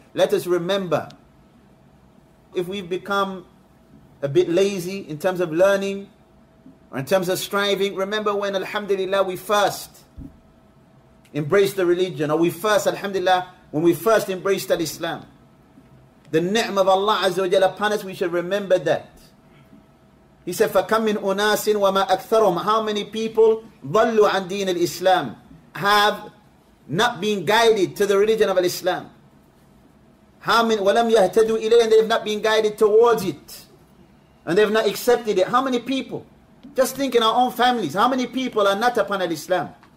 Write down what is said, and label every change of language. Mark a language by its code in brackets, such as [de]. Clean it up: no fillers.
[en] Let us remember, if we've become a bit lazy in terms of learning, or in terms of striving, remember when, alhamdulillah, we first embraced the religion, or we first, alhamdulillah, when we first embraced al-Islam. The ni'm of Allah Azza wa Jalla upon us, we should remember that. He said, [ar] فَكَمْ مِنْ أُنَاسٍ وَمَا أَكْثَرُهُمْ. [en] How many people [ar] ضَلُّوا عَنْ دِينِ الْإِسْلَامِ, [en] have not been guided to the religion of al-Islam. How many, [ar] وَلَمْ يَهْتَدُوا إِلَيْهِ, [en] and they have not been guided towards it. And they have not accepted it. How many people? Just think in our own families, how many people are not upon al-Islam?